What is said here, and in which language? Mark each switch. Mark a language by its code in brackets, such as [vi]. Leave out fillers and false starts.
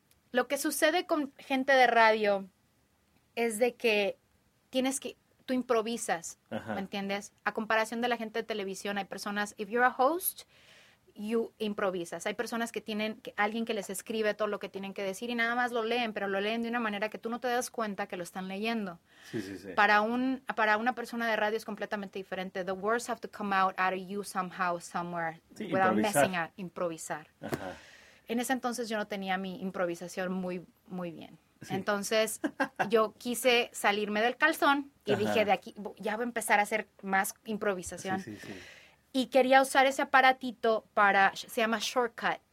[es] Lo que sucede con gente de radio es de que tienes que, tú improvisas, uh-huh. ¿me entiendes? A comparación de la gente de televisión, hay personas, [en] if you're a host, [es] you improvisas. Hay personas que tienen, que, alguien que les escribe todo lo que tienen que decir y nada más lo leen, pero lo leen de una manera que tú no te das cuenta que lo están leyendo. Sí, sí, sí. Para una persona de radio es completamente diferente. [en] The words have to come out of you somehow, somewhere, [es] sí, [en] without [es] improvisar. [en] Messing up, [es] improvisar. Ajá. Uh-huh. En ese entonces yo no tenía mi improvisación muy, muy bien. Sí. Entonces yo quise salirme del calzón y ajá. dije, de aquí ya voy a empezar a hacer más improvisación. Sí, sí, sí. Y quería usar ese aparatito para, se llama Shortcut.